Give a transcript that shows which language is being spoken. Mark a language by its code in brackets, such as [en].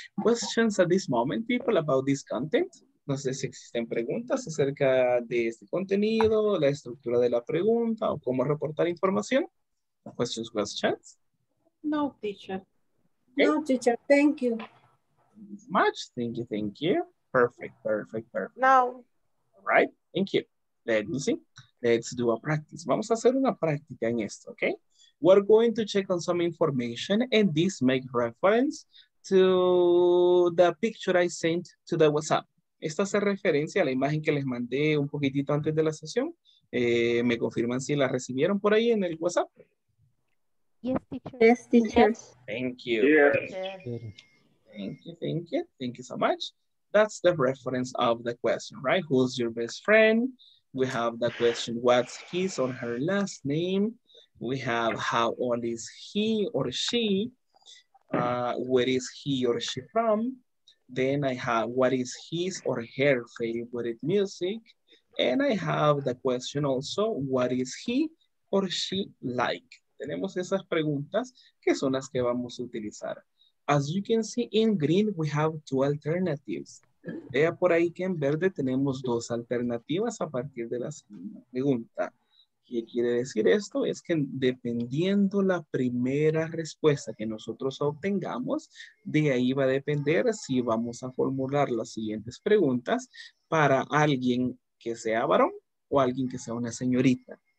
[en] Questions at this moment, people, about this content? [es] No sé si existen preguntas acerca de este contenido, la estructura de la pregunta o cómo reportar información. [en] Questions, questions? No, teacher. Okay. No, teacher, thank you. Much, thank you, thank you. Perfect, perfect, perfect. No. All right, thank you. Let me see. Let's do a practice. [es] Vamos a hacer una práctica en esto, [en] okay? We're going to check on some information and this make reference to the picture I sent to the WhatsApp. [es] Esta hace referencia a la imagen que les mandé un poquitito antes de la sesión. Me confirman si la recibieron por ahí en el WhatsApp. [en] Yes, teacher. Yes, teacher. Thank you. Yes. Thank you, thank you. Thank you so much. That's the reference of the question, right? Who's your best friend? We have the question, what's his or her last name? We have, how old is he or she? Where is he or she from? Then I have, what is his or her favorite music? And I have the question also, what is he or she like? [es] Tenemos esas preguntas que son las que vamos a utilizar. [en] As you can see in green, we have two alternatives. [es] Vea por ahí que en verde tenemos dos alternativas a partir de la segunda pregunta. ¿Qué quiere decir esto? Es que dependiendo la primera respuesta que nosotros obtengamos, de ahí va a depender si vamos a formular las siguientes preguntas para alguien que sea varón o alguien que sea una señorita.